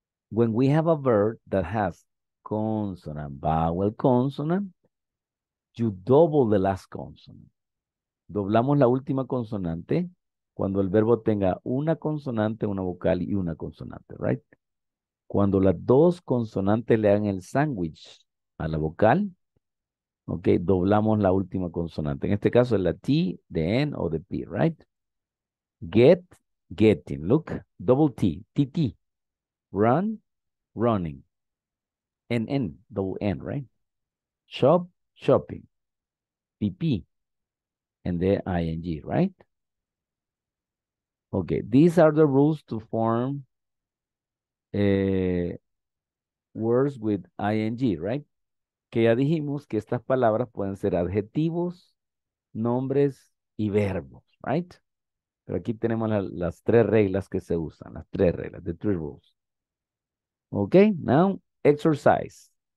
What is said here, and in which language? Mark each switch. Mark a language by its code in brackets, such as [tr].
[en] When we have a verb that has consonant, vowel, consonant, you double the last consonant. [es] Doblamos la última consonante cuando el verbo tenga una consonante, una vocal y una consonante, right? Cuando las dos consonantes le hagan el sándwich a la vocal, okay, doblamos la última consonante. En este caso es la T, the N o the P, right? [en] Get, getting. Look, double T, TT. Run, running. NN, double N, right? Shop, shopping. PP. And the ing, right? Okay, these are the rules to form words with ing, right? [es] Que ya dijimos que estas palabras pueden ser adjetivos, nombres y verbos, right? Pero aquí tenemos las tres reglas que se usan, las tres reglas, [en] the three rules. Okay, now exercise.